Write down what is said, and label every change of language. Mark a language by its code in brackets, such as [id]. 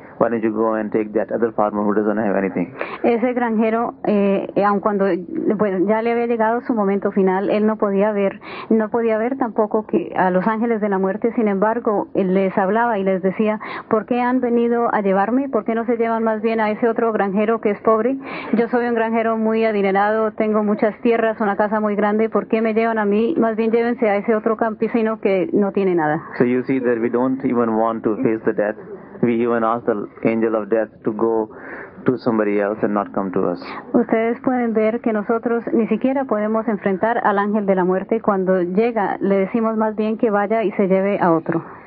[en] Why don't you go and take that other farmer who doesn't have anything? [es] Ese granjero, aun cuando bueno, ya le había llegado su momento final, él no podía ver tampoco que a los ángeles de la muerte, sin embargo, él les hablaba y les decía, ¿por qué han venido a llevarme? ¿Por qué no se llevan más bien a ese otro granjero que es pobre? Yo soy un granjero muy adinerado, tengo muchas tierras, una casa muy grande, ¿por qué me llevan a mí? Más bien llévense a ese otro campesino que no tiene nada. [en] So you see that we don't even want to face the death. We even ask the angel of death to go to somebody else and not come to us. [es] Ustedes pueden ver que nosotros ni siquiera podemos enfrentar al ángel de la muerte cuando llega, le decimos más bien que vaya y se lleve a otro.